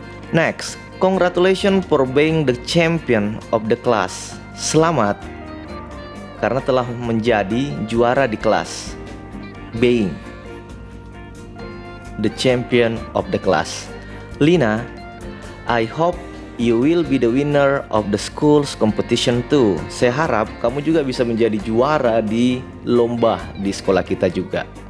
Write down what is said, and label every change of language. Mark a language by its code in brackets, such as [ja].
[en] Next, congratulations for being the champion of the class. [id] Selamat karena telah menjadi juara di kelas. [en] Being the champion of the class. Lina, I hope you will be the winner of the school's competition too. [id] Saya harap kamu juga bisa menjadi juara di lomba di sekolah kita juga.